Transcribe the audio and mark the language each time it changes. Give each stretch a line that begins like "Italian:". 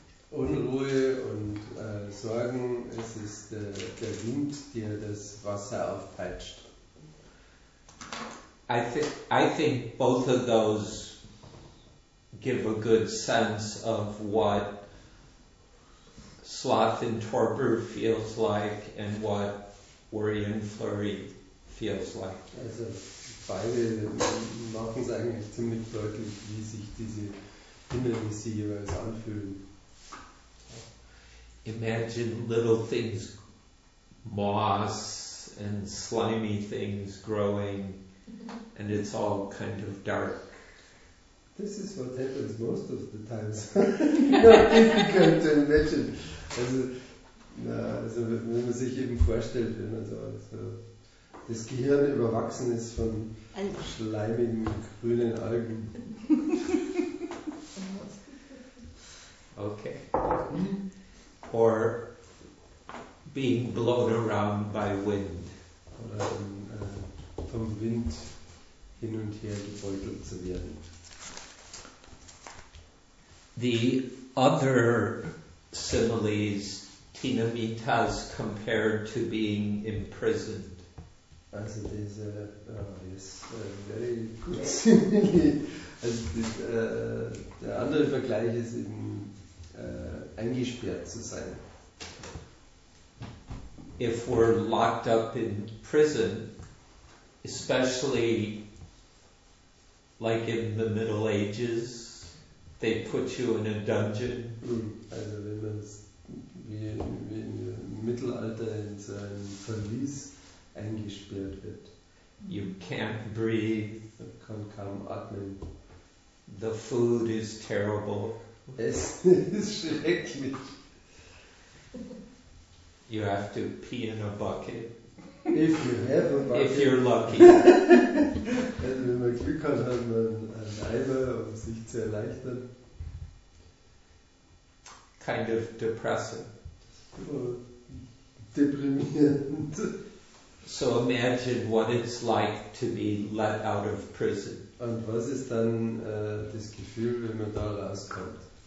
German: Unruhe und Sorgen, es ist der Wind, der das Wasser aufpeitscht.
English: I think both of those give a good sense of what sloth and torpor feels like and what worry and flurry feels like.
German: Also beide machen es eigentlich ziemlich deutlich, wie sich diese Hindernisse jeweils anfühlen.
English: Imagine little things, moss and slimy things growing, and it's all kind of dark. This is what happens most of the times. Not difficult to imagine.
German: Also wenn man sich eben vorstellt, wenn man so das Gehirn überwachsen ist von schleimigen grünen Algen.
English: Okay. Or being blown around by wind.
German: Oder vom Wind hin und her gebeutelt zu werden.
English: The other similes, tinamitas compared to being imprisoned. Also this is a very good simile. Also this,
German: der andere Vergleich ist eben eingesperrt zu sein.
English: If we're locked up in prison, especially like in the Middle Ages, they put you in a dungeon.
German: Also wenn man wie im Mittelalter in so einem Verlies eingesperrt wird.
English: You can't breathe.
German: Man kann kaum atmen.
English: The food is terrible.
German: Es ist schrecklich.
English: You have to pee in a bucket. If you have a bucket. If you're lucky.
German: Also wenn man Glück hat, hat man einen Eimer, um sich zu erleichtern.
English: Kind of depressing.
German: Deprimierend.
English: So imagine what it's like to be let out of prison.
German: Und was ist dann das Gefühl, wenn man da rauskommt?